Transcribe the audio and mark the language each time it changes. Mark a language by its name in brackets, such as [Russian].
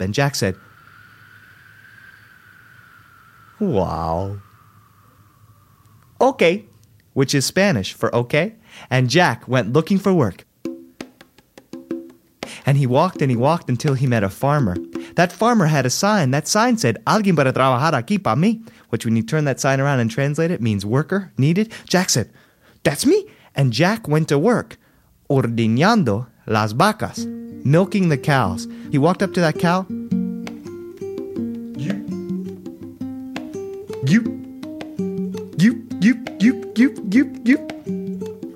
[English] And Jack said, wow. Okay, which is Spanish for okay. And Jack went looking for work. And he walked and he walked until he met a farmer. That farmer had a sign. That sign said, [Spanish] alguien para trabajar aquí para mí. [English] Which when you turn that sign around and translate it, means worker, needed. Jack said, that's me. And Jack went to work, [Spanish] ordeñando las vacas, [English] milking the cows. He walked up to that cow. Goop, goop, goop, goop, goop, goop, goop.